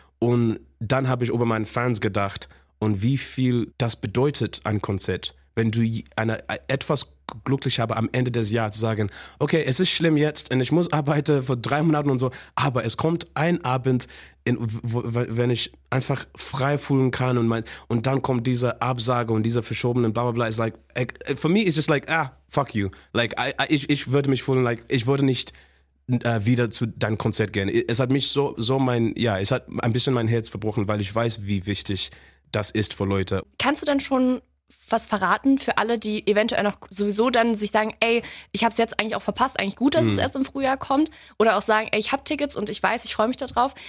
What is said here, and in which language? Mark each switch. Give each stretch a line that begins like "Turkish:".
German: Und dann habe ich über meinen Fans gedacht und wie viel das bedeutet, ein Konzert, wenn du etwas glücklich habe am Ende des Jahres zu sagen, okay, es ist schlimm jetzt und ich muss arbeiten für 3 Monate und so, aber es kommt ein Abend, wenn ich einfach frei fühlen kann und dann kommt diese Absage und dieser verschobene Blablabla.
English: It's like, for me, it's just like, ah, fuck you.
German: Like, ich würde mich fühlen, like, ich würde nicht wieder zu deinem Konzert gehen. Es hat mich es hat ein bisschen mein Herz verbrochen, weil ich weiß, wie wichtig das ist für Leute. Kannst du denn schon was verraten für alle, die eventuell noch sowieso dann sich sagen, ey, ich habe es jetzt eigentlich auch verpasst, eigentlich gut, dass es erst im Frühjahr kommt, oder auch sagen, ey, ich habe Tickets und ich weiß, ich freue mich darauf.